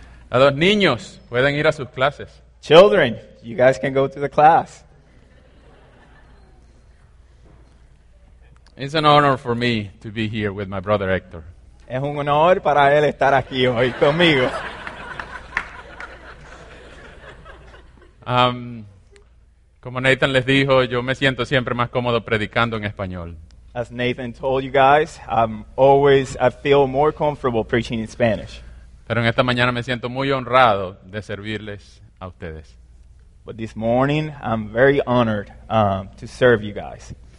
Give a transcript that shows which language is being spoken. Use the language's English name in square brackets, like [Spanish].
[Spanish] A los niños, pueden ir a sus clases. [English] Children, you guys can go to the class. It's an honor for me to be here with my brother Héctor. [Spanish] Es un honor para él estar aquí hoy conmigo. Como Nathan les dijo, yo me siento siempre más cómodo predicando en español. [English] As Nathan told you guys, I feel more comfortable preaching in Spanish. [Spanish] Pero en esta mañana me siento muy honrado de servirles a ustedes. [English] But this morning, I'm very honored to serve you guys.